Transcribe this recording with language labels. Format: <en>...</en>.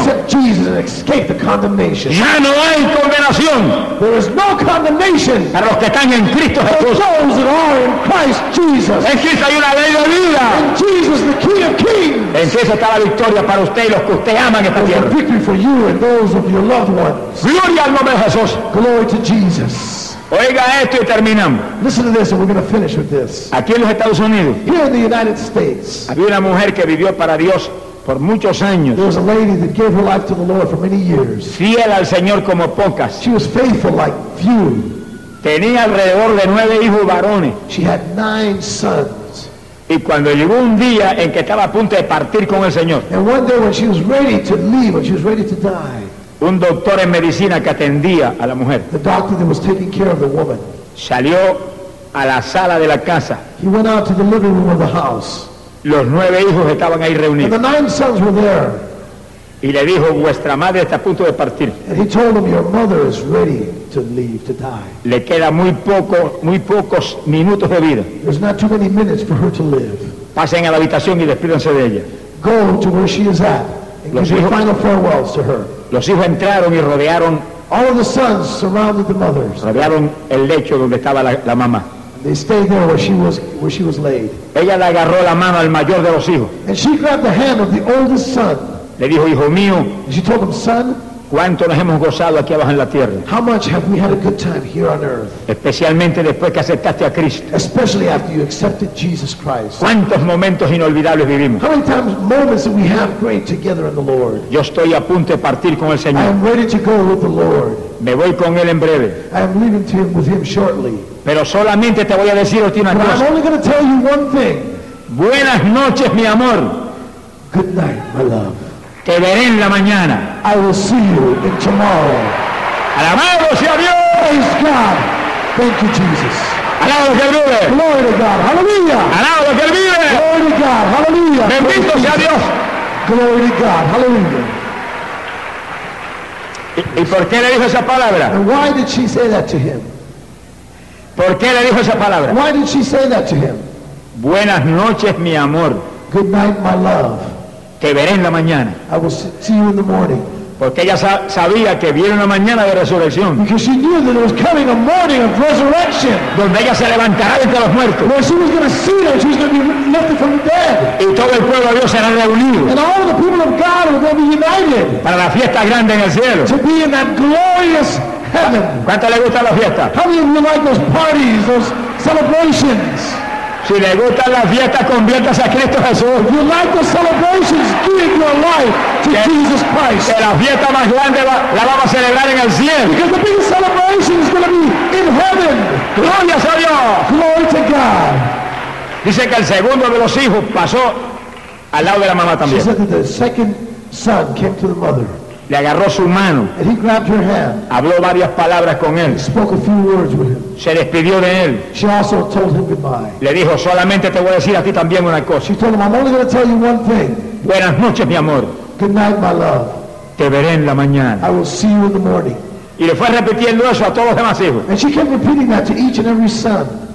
<en>Accept Jesus and escape the condemnation.</en> <es>Ya no hay condenación.</es> <en>There is no condemnation.</en> <es>Para los que están en Cristo Jesús.</es> <en>For those that are in Christ Jesus.</en> <es>En Cristo hay una ley de vida.</es> <en>In Jesus, the King of Kings.</en> <es>En Cristo está la victoria para usted y los que usted ama en esta tierra.</es> <en>There's a victory for you and those of your loved ones.</en> <es>Gloria al nombre de Jesús.</es> <en>Glory to Jesus.</en> <es>Oiga esto y terminamos.</es> <en>Listen to this, and we're going to finish with this.</en> <es>Aquí en los Estados Unidos.</es> <en>Here in the United States.</en> <es>Había una mujer que vivió para Dios por muchos años.</es> <en>There was a lady that gave her life to the Lord for many years.</en> <es>Fiel al Señor como pocas.</es> <en>She was faithful like few.</en> <es>Tenía alrededor de 9 hijos varones.</es> <en>She had 9 sons.</en> <es>Y cuando llegó un día en que estaba a punto de partir con el Señor.</es> <en>And one day when she was ready to leave, when she was ready to die.</en> <es>Un doctor en medicina que atendía a la mujer.</es> <en>The doctor that was taking care of the woman.</en> <es>Salió a la sala de la casa.</es> <en>He went out to the living room of the house.</en> <es>Los 9 hijos estaban ahí reunidos.</es> <en>And the 9 sons were there.</en> <es>Y le dijo, vuestra madre está a punto de partir.</es> <en>And he told them, your mother is ready to leave, to die.</en> <es>Le queda muy pocos minutos de vida.</es> <en>There's not too many minutes for her to live.</en> <es>Pasen a la habitación y despídense de ella.</es> <en>Go to where she is at. And give your final farewells to her.</en> <es>Los hijos entraron y rodearon.</es> <en>All of the sons surrounded the mothers.</en> <es>Rodearon el lecho donde estaba la mamá.</es> <en>They stayed there where she was laid.</en> <es>Ella le agarró la mano al mayor de los hijos.</es> <en>And she grabbed the hand of the oldest son.</en> <es>Le dijo, hijo mío.</es> <en>And she told him, son.</en> <es>¿Cuánto nos hemos gozado aquí abajo en la tierra?</es> <en>How much have we had a good time here on earth?</en> <es>Especialmente después que aceptaste a Cristo.</es> <en>Especially after you accepted Jesus Christ.</en> <es>¿Cuántos momentos inolvidables vivimos?</es> <en>How many times, moments that we have great together in the Lord.</en> <es>Yo estoy a punto de partir con el Señor.</es> <en>I am ready to go with the Lord.</en> <es>Me voy con él en breve.</es> <en>I am leaving to him with him shortly.</en> <es>Pero solamente te voy a decir última cosa.</es> <en>But I'm only going to tell you one thing.</en> <es>Buenas noches, mi amor.</es> <en>Good night, my love.</en> <es>Te veré en la mañana.</es> <en>I will see you in tomorrow.</en> <es>Alabado sea Dios.</es> <en>Praise God. Thank you, Jesus.</en> <es>Alabado sea Dios.</es> <en>Glory to God. Hallelujah.</en> <es>Alabado sea Dios.</es> <en>Glory to God. Hallelujah.</en> <es>Bendito sea Dios.</es> <en>Glory to God. Hallelujah.</en> <es>¿Y por qué le dijo esa palabra?</es> <en>And why did she say that to him?</en> <es>¿Por qué le dijo esa palabra?</es> <en>Why did she say that to him?</en> <es>Buenas noches, mi amor.</es> <en>Good night, my love.</en> <es>Te veré en la mañana.</es> <en>I will see you in the morning.</en> <es>Porque ella sabía que viene una mañana de resurrección.</es> <en>Because she knew that there was coming a morning of resurrection.</en> <es>Donde ella se levantará de entre los muertos.</es> <en>Where she was going to see her, she was going to be lifted from the dead.</en> <es>Y todo el pueblo de Dios será reunido.</es> <en>And all the people of God are going to be united.</en> <es>Para la fiesta grande en el cielo.</es> <en>To be in that glorious heaven.</en> <es>¿Cuánto le gusta la fiesta?</es> <en>How many of you like those parties, those celebrations?</en> <es>Si le gusta la fiesta, conviértase a Cristo Jesús.</es> <en>If you like the celebrations, give your life to Jesus Christ.</en> <es>Que la fiesta más grande la vamos a celebrar en el cielo.</es> <en>Because the biggest celebration is going to be in heaven.</en> <es>Gloria a Dios.</es> <en>Glory to God.</en> <es>Dice que el segundo de los hijos pasó al lado de la mamá también.</es> <en>She said that the second son came to the mother.</en> <es>Le agarró su mano.</es> <en>And he grabbed her hand.</en> <es>Habló varias palabras con él.</es> <en>He spoke a few words with him.</en> <es>Se despidió de él.</es> <en>She also told him goodbye.</en> <es>Le dijo, solamente te voy a decir a ti también una cosa.</es> <en>She told him, I'm only going to tell you one thing.</en> <es>Buenas noches, mi amor.</es> <en>Good night, my love.</en> <es>Te veré en la mañana.</es> <en>I will see you in the morning.</en> <es>Y le fue repitiendo eso a todos los demás hijos.</es> <en>And she kept repeating that to each and every son.</en>